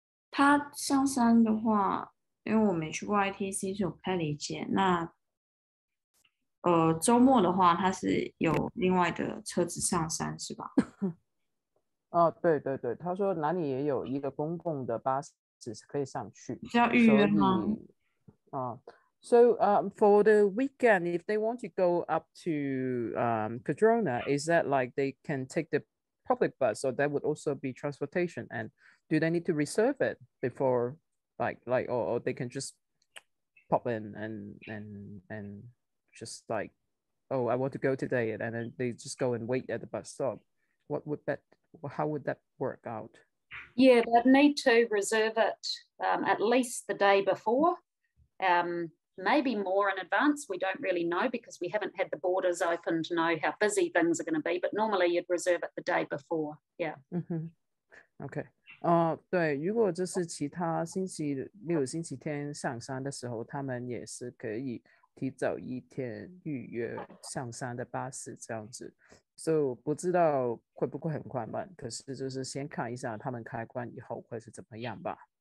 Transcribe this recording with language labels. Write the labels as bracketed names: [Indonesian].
[Chinese] 他上山的话，因为我没去过 ITC， 所以我不太理解。那周末的话，他是有另外的车子上山是吧？对对对，他说哪里也有一个公共的巴士可以上去，是要预约吗？ [English] So for the weekend, if they want to go up to Cardrona, is that like they can take the public bus, or that would also be transportation? And do they need to reserve it before, or they can just pop in and just like oh, I want to go today, and then they just go and wait at the bus stop. What would that, how would that work out? Yeah, they'd need to reserve it at least the day before, maybe more in advance. We don't really know because we haven't had the borders open to know how busy things are going to be, but normally you'd reserve it the day before. Yeah. Mm-hmm. Okay. [Chinese] 对，如果就是其他星期六、星期天上山的时候，他们也是可以提早一天预约上山的巴士这样子。所以不知道会不会很快慢，可是就是先看一下他们开关以后会是怎么样吧。